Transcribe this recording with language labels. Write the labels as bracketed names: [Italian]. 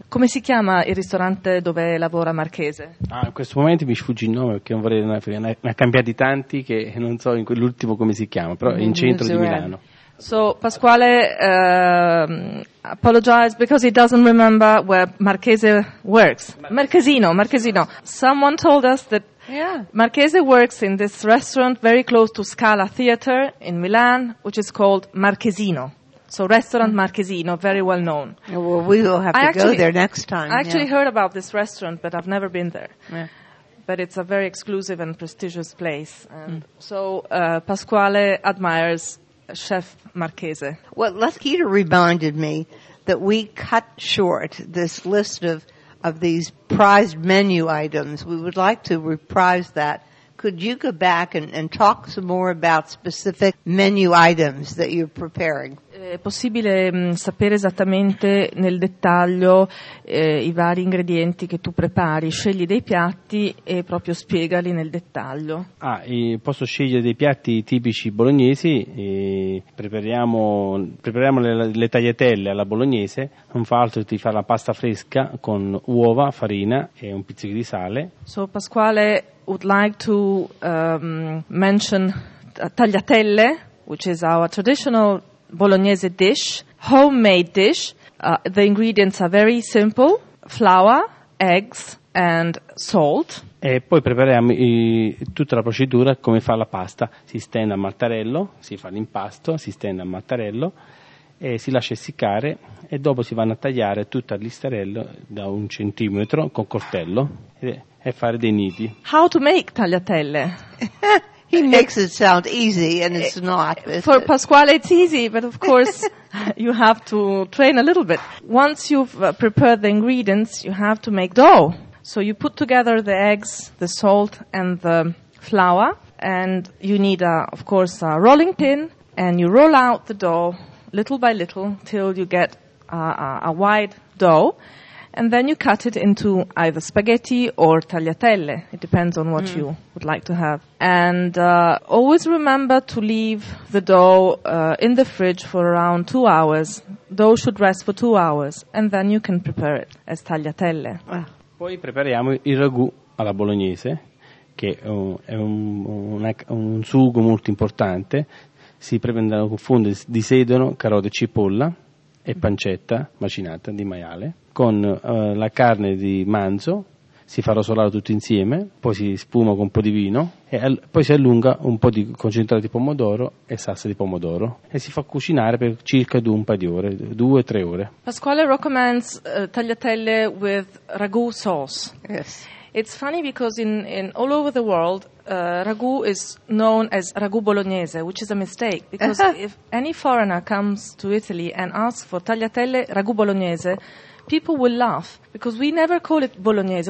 [Italian] Come si chiama il ristorante dove lavora Marchese? Ah, in questo momento mi sfugge il nome, perché non vorrei una cambiata di tanti che non so in quell'ultimo come si chiama, però in centro di Milano. [English] So Pasquale apologize because he doesn't remember where Marchese works. Marchesino. Someone told us that Marchese works in this restaurant very close to Scala Theater in Milan, which is called Marchesino. So restaurant Marchesino, very well known. Well, we will have to go there next time. I actually heard about this restaurant, but I've never been there. Yeah. But it's a very exclusive and prestigious place. And Pasquale admires Chef Marchese. Well, Laschita reminded me that we cut short this list of these prized menu items. We would like to reprise that. Could you go back and talk some more about specific menu items that you're preparing? [Italian] È possibile sapere esattamente nel dettaglio i vari ingredienti che tu prepari? Scegli dei piatti e proprio spiegali nel dettaglio. Posso scegliere dei piatti tipici bolognesi. E prepariamo le tagliatelle alla bolognese. Non fa altro che ti fa la pasta fresca con uova, farina e un pizzico di sale. [English] So Pasquale would like to mention tagliatelle, which is our traditional Bolognese dish, homemade dish. The ingredients are very simple: flour, eggs, and salt. [Italian] E poi prepariamo tutta la procedura come fa la pasta. Si stende a mattarello, si fa l'impasto, si stende a mattarello e si lascia essiccare, e dopo si vanno a tagliare tutto a listarello da un centimetro con coltello e fare dei nidi. [English] How to make tagliatelle? He makes it sound easy, and it's not. For Pasquale, it's easy, but of course you have to train a little bit. Once you've prepared the ingredients, you have to make dough. So you put together the eggs, the salt, and the flour, and you need, of course, a rolling pin, and you roll out the dough little by little till you get a white dough, and then you cut it into either spaghetti or tagliatelle. It depends on what you would like to have. And always remember to leave the dough in the fridge for around 2 hours. Dough should rest for 2 hours, and then you can prepare it as tagliatelle. [Italian] Poi prepariamo il ragù alla bolognese, che è un sugo molto importante. Si prendono con fondo di sedano, carote, cipolla e pancetta macinata di maiale. Con la carne di manzo si fa rosolare tutto insieme, poi si spuma con un po' di vino e poi si allunga un po' di concentrato di pomodoro e salsa di pomodoro e si fa cucinare per circa due o tre ore. [English] Pasquale recommends tagliatelle with ragù sauce. Yes. It's funny because in all over the world, ragù is known as ragù bolognese, which is a mistake. Because if any foreigner comes to Italy and asks for tagliatelle ragù bolognese, people will laugh because we never call it bolognese.